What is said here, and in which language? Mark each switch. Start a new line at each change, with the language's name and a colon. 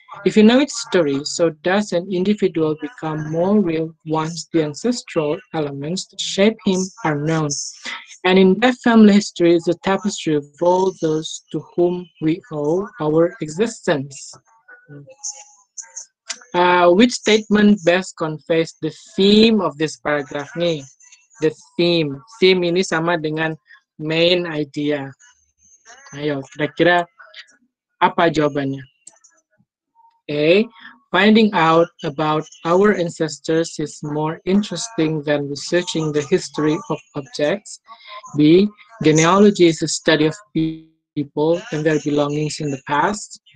English: If you know its story, so does an individual become more real once the ancestral elements that shape him are known. And in that family history is a tapestry of all those to whom we owe our existence. Which statement best conveys the theme of this paragraph? Nih, the theme.
Indonesian: Theme ini sama dengan main idea. Ayo, kira-kira apa jawabannya?
English: A, finding out about our ancestors is more interesting than researching the history of objects. B, genealogy is a study of people and their belongings in the past.